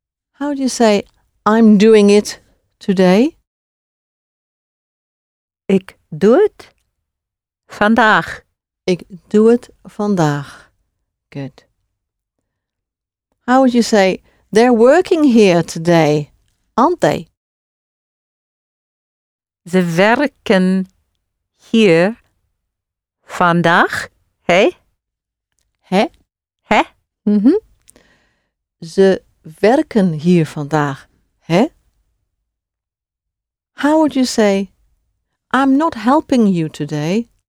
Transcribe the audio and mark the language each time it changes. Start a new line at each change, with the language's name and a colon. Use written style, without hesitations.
English: How do you say, I'm doing it today?
Dutch: Ik doe het vandaag. Ik doe het vandaag. Good.
English: How would you say, they're working here today, aren't they?
Dutch: Ze werken hier vandaag, hè? Hè? Hè? Mm-hmm. Ze werken hier vandaag, hè?
English: How would you say, I'm not helping you today?